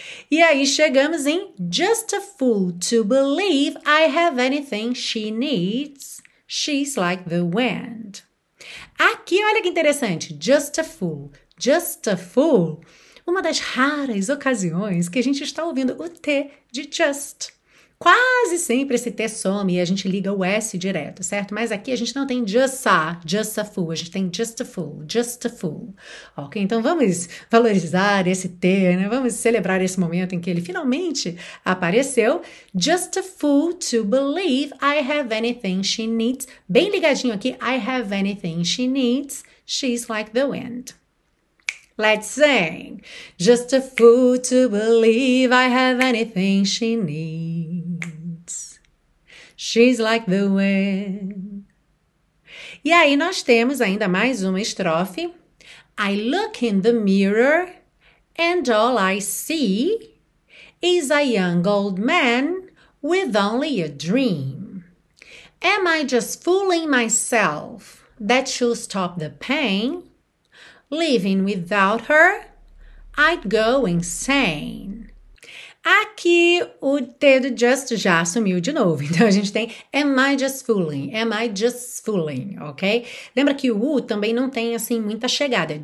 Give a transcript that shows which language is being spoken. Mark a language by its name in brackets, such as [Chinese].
[Portuguese] E aí chegamos em [English] Just a fool to believe I have anything she needs. She's like the wind. [Portuguese] Aqui, olha que interessante. [English] Just a fool. Just a fool. [Portuguese] Uma das raras ocasiões que a gente está ouvindo o T de just. Quase sempre esse T some e a gente liga o S direto, certo? Mas aqui a gente não tem [English] just a fool. [Portuguese] A gente tem [English] just a fool, just a fool. [Portuguese] Ok? Então vamos valorizar esse T, né? Vamos celebrar esse momento em que ele finalmente apareceu. [English] Just a fool to believe I have anything she needs. [Portuguese] Bem ligadinho aqui, [English] I have anything she needs. She's like the wind. Let's sing. Just a fool to believe I have anything she needs. She's like the wind. [Portuguese] E aí nós temos ainda mais uma estrofe. [English] I look in the mirror and all I see is a young old man with only a dream. Am I just fooling myself that she'll stop the pain? Living without her, I'd go insane. [Portuguese] Aqui o dedo just já sumiu de novo. Então a gente tem [English] am I just fooling? Am I just fooling? Ok? [Portuguese] Lembra que o também não tem assim muita chegada.